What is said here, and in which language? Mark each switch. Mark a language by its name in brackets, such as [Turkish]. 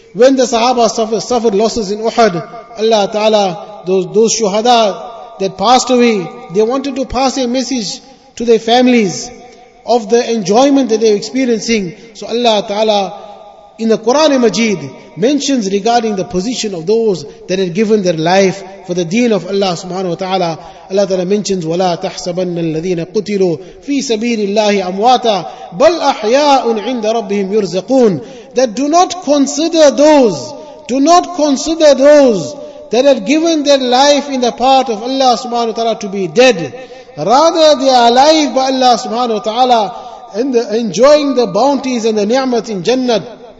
[English] When the Sahaba suffered losses in Uhud, Allah ta'ala, those shuhada that passed away, they wanted to pass a message to their families of the enjoyment that they're experiencing. So Allah Ta'ala in the Quran Majeed mentions regarding the position of those that had given their life for the deen of Allah subhanahu wa ta'ala. Allah Ta'ala mentions, [Arabic] وَلَا تَحْسَبَنَّ الَّذِينَ قُتِلُوا فِي سَبِيلِ اللَّهِ أَمْوَاتًا بَلْ أَحْيَاءٌ عِنْدَ رَبِّهِمْ يُرْزَقُونَ. [English] That do not consider those that had given their life in the path of Allah subhanahu wa ta'ala to be dead. Rather, they are alive by Allah subhanahu wa ta'ala and enjoying the bounties and the ni'mat in Jannah.